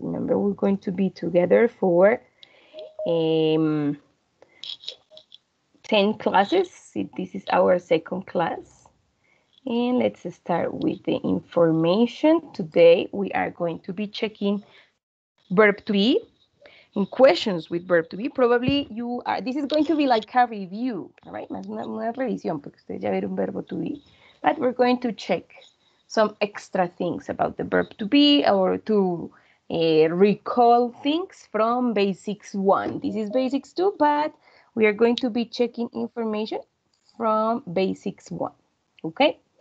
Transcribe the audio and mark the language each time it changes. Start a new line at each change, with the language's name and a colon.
English: Remember, we're going to be together for 10 classes. This is our second class. And let's start with the information. Today, we are going to be checking verb to be and questions with verb to be. Probably you are, this is going to be like a review, all right?
Spanish: Más una revisión, porque ustedes ya vieron verbo to be.
English: But we're going to check some extra things about the verb to be or to recall things from basics one. This is basics two, but we are going to be checking information from basics one, okay?